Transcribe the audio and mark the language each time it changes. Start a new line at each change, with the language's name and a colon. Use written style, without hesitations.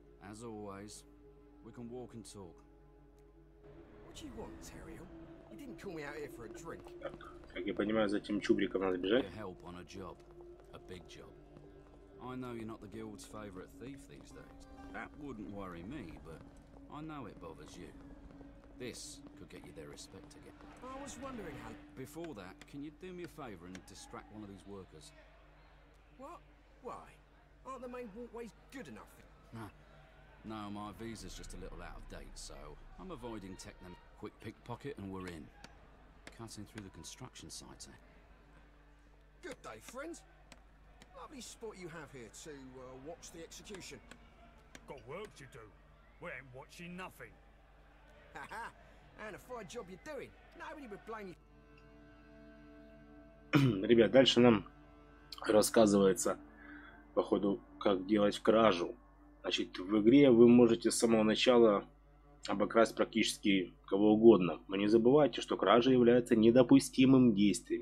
English: As always, we can walk and talk. What do you want, Terriel? You didn't call me out here for a drink.
Russian: Так, как я понимаю, за этим чубриком надо бежать.
English: Your help on a job. A big job. I know you're not the guild's favorite thief these days. That wouldn't worry me, but I know it bothers you. This could get you their respect again. I was wondering how... Before that, can you do me a favor and distract one of these workers? What? Why? Aren't the main walkways good enough? Nah. No, my visa's just a little out of date, so I'm avoiding technom... Quick pickpocket and we're in. Cutting through the construction site, eh? Good day, friend. Lovely spot you have here to watch the execution. Got work to do. We ain't watching nothing. Ха-ха! Anna, fine job you're doing. Nobody would blame you.
Russian: Ребят, дальше нам рассказывается, походу, как делать кражу. Значит, в игре вы можете с самого начала обокрасть практически кого угодно. Но не забывайте, что кража является недопустимым действием.